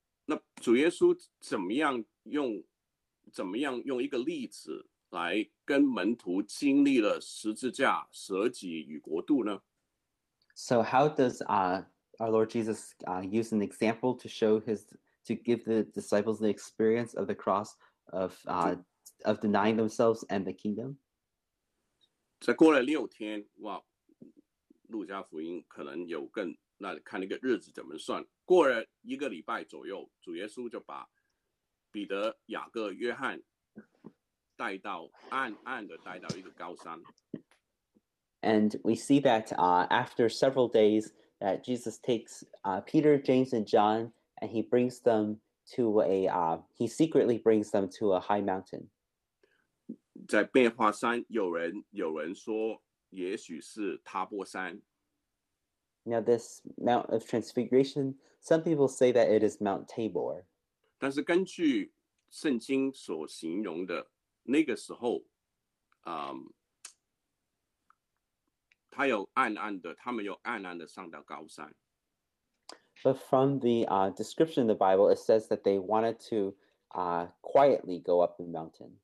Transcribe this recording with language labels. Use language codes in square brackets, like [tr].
[zh] 那主耶稣怎么样用一个例子来跟门徒经历了十字架、舍己与国度呢？ [en] So how does Our Lord Jesus used an example to give the disciples the experience of the cross of denying themselves and the kingdom. [zh] 再过了六天，哇，路加福音可能有更那看那个日子怎么算。过了一个礼拜左右，主耶稣就把彼得、雅各、约翰带到暗暗的带到一个高山。 [en] And we see that after several days. That Jesus takes Peter, James, and John, and he brings them to he secretly brings them to a high mountain. [zh] 在变化山，有人说，也许是塔波山。 [en] Now this Mount of Transfiguration, some people say that it is Mount Tabor. [zh] 但是根据圣经所形容的，那个时候，他有暗暗的，他们有暗暗的上到高山。 [en] But from the description of the Bible, it says that they wanted to quietly go up the mountain.